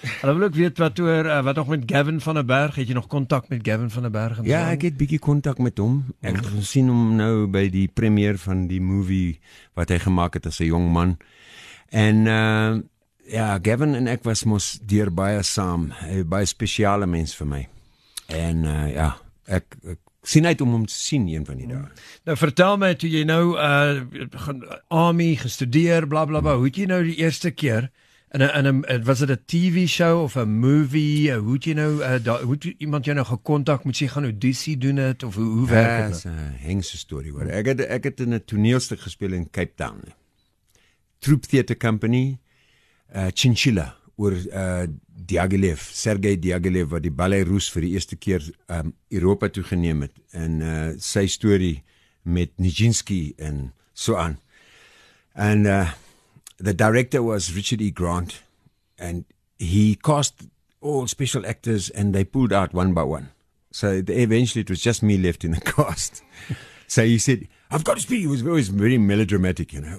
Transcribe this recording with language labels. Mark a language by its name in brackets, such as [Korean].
[Afrikaans] Hulle wil ook weet wat oor, wat nog met Gavin van der Berg. Het jy nog contact met Gavin van der Berg? Ja, ek het bietjie contact met hom. Ek het gesien hom nou by die premiere van die movie wat hy gemaak het as 'n jong man. En ja, Gavin en ek was mos deur baie saam. Hy is baie spesiale mens vir my. En ja, ek sien uit om hom te sien een van die dae. Nou vertel my, toe jy nou army gestudeer, bla bla bla. Hoe het jy nou die eerste keer, was dit 'n TV show of 'n movie? Hoe het jy nou, hoe het iemand jou nou gekontak? Moet jy gaan audisie doen het? Of hoe werk het? Dit is 'n hengse story. Ek het in 'n toneelstuk gespeel in Cape Town. Troop Theatre Company. Chinchilla, oor Diaghilev, Sergei Diaghilev, wat die Ballet Rus vir die eerste keer Europa toe geneem het, en sy story met Nijinsky en so aan. En [English] the director was Richard E. Grant, and he cast all special actors, and they pulled out one by one. So eventually it was just me left in the cast. So he said, I've got to speak. It was always very melodramatic, you know.